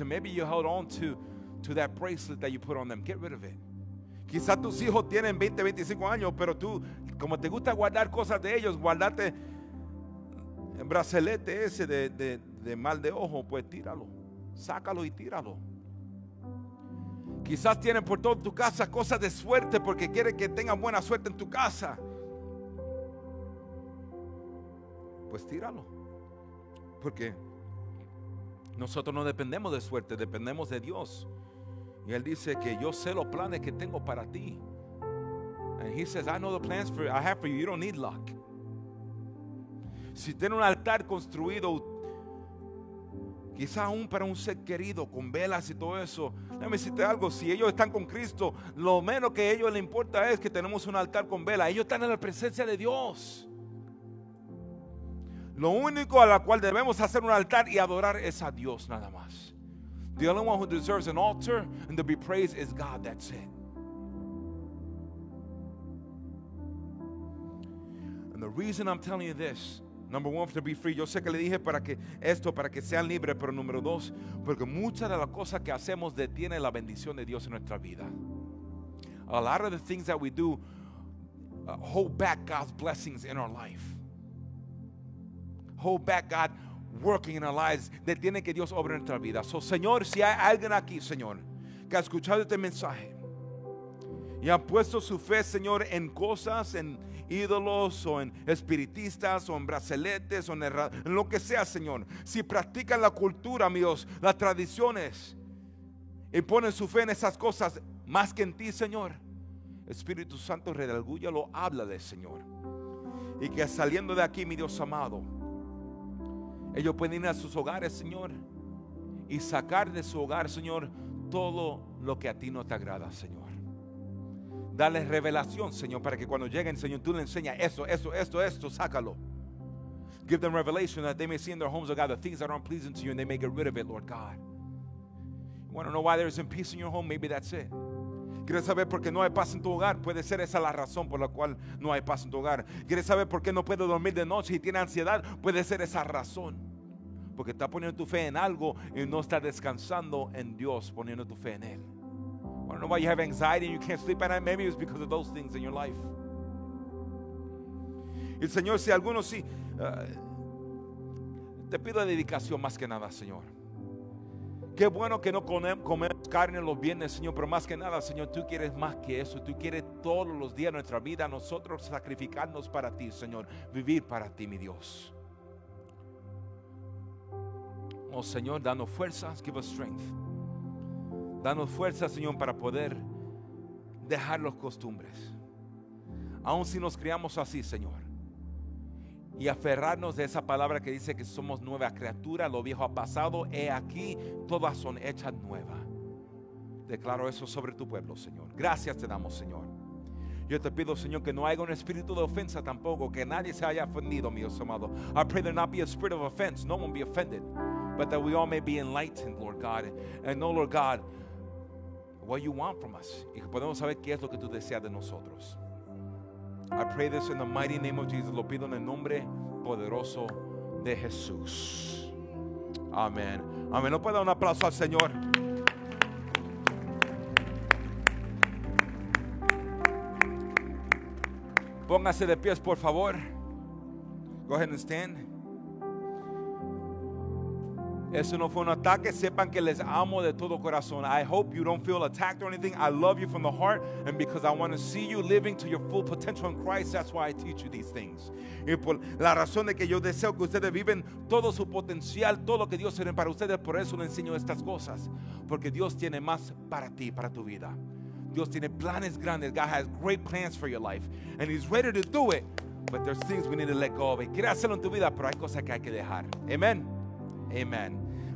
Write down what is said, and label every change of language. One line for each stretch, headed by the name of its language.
English: And maybe you held on to that bracelet that you put on them. Get rid of it.
Spanish: Quizá tus hijos tienen 20, 25 años, pero tú, como te gusta guardar cosas de ellos, guardarte el bracelete ese de mal de ojo, pues tíralo, sácalo y tíralo. Quizás tienen por toda tu casa cosas de suerte porque quieren que tengan buena suerte en tu casa. Pues tíralo, porque nosotros no dependemos de suerte, dependemos de Dios. Y él dice que yo sé los planes que tengo para ti.
English: And he says, I know the plans for, I have for you. You don't need luck.
Spanish: Si tiene un altar construido, quizás aún para un ser querido, con velas y todo eso. Déjame decirte algo, si ellos están con Cristo, lo menos que a ellos les importa es que tenemos un altar con velas. Ellos están en la presencia de Dios. Lo único a la cual debemos hacer un altar y adorar es a Dios nada más.
English: The only one who deserves an altar and to be praised is God. That's it. And the reason I'm telling you this, number one, to be free.
Spanish: Yo sé que le dije para que esto, para que sean libres, pero número dos, porque muchas de las cosas que hacemos detiene la bendición de Dios en nuestra vida.
English: A lot of the things that we do hold back God's blessings in our life. Hold back God working in our lives.
Spanish: Detiene que Dios obre en nuestra vida. So, Señor, si hay alguien aquí, Señor, que ha escuchado este mensaje y ha puesto su fe, Señor, en cosas, en ídolos o en espiritistas o en braceletes o en lo que sea, Señor, si practican la cultura, amigos, las tradiciones y ponen su fe en esas cosas más que en ti, Señor, Espíritu Santo, redargúyalo, háblale, Señor, y que saliendo de aquí, mi Dios amado, ellos pueden ir a sus hogares, Señor, y sacar de su hogar, Señor, todo lo que a ti no te agrada, Señor. Dale revelación, Señor, para que cuando lleguen, Señor, tú le enseñas esto, sácalo.
English: Give them revelation that they may see in their homes, oh God, the things that aren't pleasing to you, and they may get rid of it, Lord God. You want to know why there isn't peace in your home? Maybe that's it.
Spanish: ¿Quieres saber por qué no hay paz en tu hogar? Puede ser esa la razón por la cual no hay paz en tu hogar. ¿Quieres saber por qué no puedes dormir de noche y tienes ansiedad? Puede ser esa razón. Porque estás poniendo tu fe en algo y no estás descansando en Dios, poniendo tu fe en Él.
English: I don't know why you have anxiety and you can't sleep at night. Maybe it's because of those things in your life.
Spanish: El Señor, si alguno sí, te pido dedicación más que nada, Señor. Qué bueno que no comemos carne los viernes, Señor, pero más que nada, Señor, tú quieres más que eso. Tú quieres todos los días de nuestra vida nosotros sacrificarnos para ti, Señor, vivir para ti, mi Dios. Oh, Señor, danos fuerzas,
English: give us strength.
Spanish: Danos fuerzas, Señor, para poder dejar las costumbres. Aun si nos criamos así, Señor. Y aferrarnos de esa palabra que dice que somos nueva criatura, lo viejo ha pasado, he aquí, todas son hechas nuevas. Declaro eso sobre tu pueblo, Señor. Gracias te damos, Señor. Yo te pido, Señor, que no haya un espíritu de ofensa tampoco, que nadie se haya ofendido, mi Dios amado.
English: I pray there not be a spirit of offense, no one be offended, but that we all may be enlightened, Lord God, and know, Lord God, what you want from us.
Spanish: Y que podamos saber qué es lo que tú deseas de nosotros.
English: I pray this in the mighty name of Jesus.
Spanish: Lo pido en el nombre poderoso de Jesús. Amén. Amén. ¿No puede dar un aplauso al Señor? Póngase de pies, por favor.
English: Go ahead and stand.
Spanish: Eso no fue un ataque. Sepan que les amo de todo corazón.
English: I hope you don't feel attacked or anything. I love you from the heart. And because I want to see you living to your full potential in Christ, that's why I teach you these things.
Spanish: Y por la razón de que yo deseo que ustedes viven todo su potencial, todo lo que Dios tiene para ustedes, por eso les enseño estas cosas. Porque Dios tiene más para ti, para tu vida. Dios tiene planes grandes.
English: God has great plans for your life. And He's ready to do it. But there's things we need to let go of.
Spanish: Y quiere hacerlo en tu vida, pero hay cosas que hay que dejar. Amen. Amen.